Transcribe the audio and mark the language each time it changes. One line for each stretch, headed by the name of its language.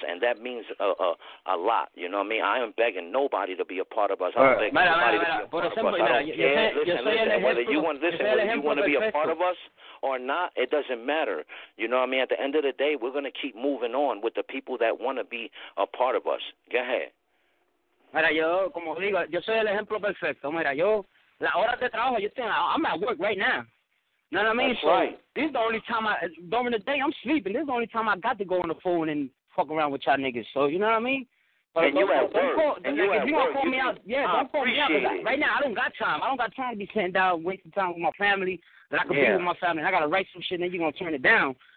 English: And that means a lot, you know what I mean? I am begging nobody to be a part of us. I'm begging nobody to be a part of us. I don't care. Whether you want to be a part of us or not, it doesn't matter. You know what I mean? At the end of the day, we're going to keep moving on with the people that want to be a part of us. Go ahead.
Spanish: Mira, yo, como digo, yo soy el ejemplo perfecto. Mira, yo, la hora de trabajo,
English: I'm at work right now. You know what I mean? That's so right. This is the only time during the day, I'm sleeping. This is the only time I got to go on the phone and fuck around with y'all niggas, so you know what I mean? But and you at work. Right now, I don't got time to be sitting down wasting time with my family that I could be with my family. I got to write some shit and then you're going to turn it down.